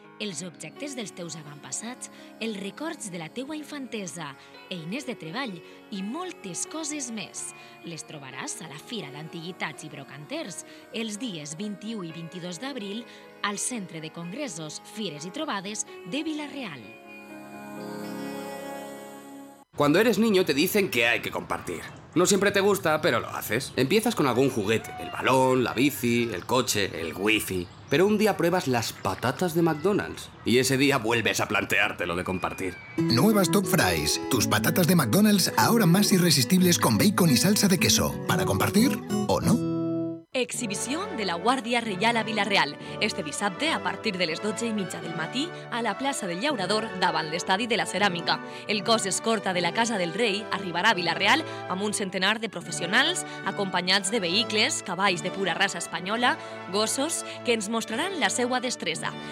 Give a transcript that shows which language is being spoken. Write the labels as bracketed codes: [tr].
[ca] Els objectes dels teus avantpassats, els records de la teua infantesa, eines de treball i moltes coses més. Les trobaràs a la Fira d'Antiguitats i Brocanters els dies 21 i 22 d'abril al Centre de Congressos, Fires i Trobades de Villarreal. [es] Cuando eres niño te dicen que hay que compartir. No siempre te gusta, pero lo haces. Empiezas con algún juguete, el balón, la bici, el coche, el wifi. Pero un día pruebas las patatas de McDonald's y ese día vuelves a plantearte lo de compartir. Nuevas Top Fries, tus patatas de McDonald's ahora más irresistibles con bacon y salsa de queso. ¿Para compartir o no? Exhibición de la Guardia Reial a Villarreal. [ca] Este dissabte, a partir de les 12 i mitja del matí, a la plaça del Llaurador, davant l'Estadi de la Ceràmica. El cos escorta de la Casa del Rei arribarà a Villarreal amb un centenar de professionals, acompanyats de vehicles, cavalls de pura raça espanyola, gossos, que ens mostraran la seua destresa.